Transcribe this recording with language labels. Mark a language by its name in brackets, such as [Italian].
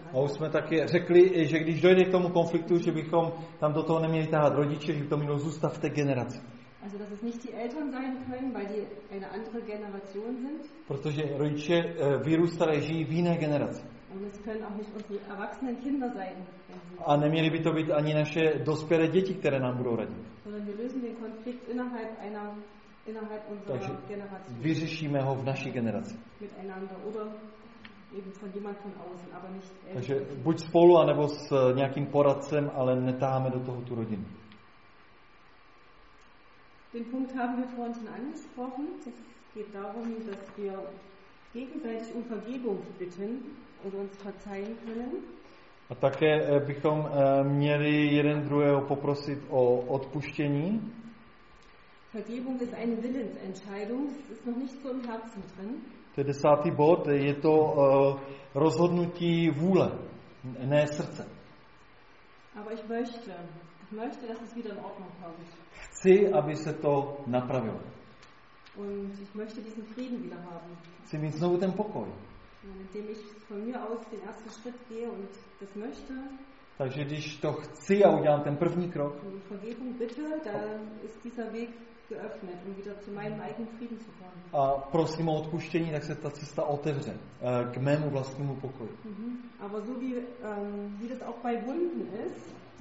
[Czech] A už jsme taky řekli, že když dojde k tomu konfliktu, že bychom tam do toho neměli tahat rodiče, že by to mělo zůstat v té generaci. [German] Also, dass es nicht die Eltern sein können, weil die eine andere Generation sind. [Czech] Protože rodiče vyrůstali, žijí v jiné generaci. [German] Und es können auch nicht unsere erwachsenen Kinder sein. [Czech] A neměli by to být ani naše dospělé děti, které nám budou radit. [German] Sondern wir lösen den Konflikt innerhalb unserer [Czech] Takže [German] Generation. [Czech] Vyřešíme ho v naší generaci. [German] Miteinander oder eben von jemand von außen, aber nicht Eltern. [Czech] Takže buď spolu, anebo s nějakým poradcem, ale netáháme do toho tu rodinu. [German] Den Punkt haben wir vorhin schon angesprochen. Es geht darum, dass wir gegenseitig um Vergebung bitten und uns verzeihen können. [Czech] A také bychom měli jeden druhého poprosit o odpuštění. [German] Vergebung ist eine Willensentscheidung. Es ist noch nicht so im Herzen drin. [Czech] To je desátý bod. Je to rozhodnutí vůle, ne srdce. [German] Aber ich möchte. Ich möchte, dass es wieder in Ordnung kommt. [Czech] Chci, aby se to napravilo. [German] Und ich möchte diesen Frieden wieder haben. [Czech] Chci mít znovu ten pokoj. [German] Indem ich von mir aus den ersten Schritt gehe und das möchte. [Czech] Takže když to chci a udělám ten první krok. [German] Vergebung bitte, da ist dieser Weg geöffnet, um wieder zu meinem eigenen Frieden zu kommen. [Czech] A prosím o odpuštění, tak se ta cesta otevře k mému vlastnímu pokoji. [German] Aber so wie das auch bei Wunden ist,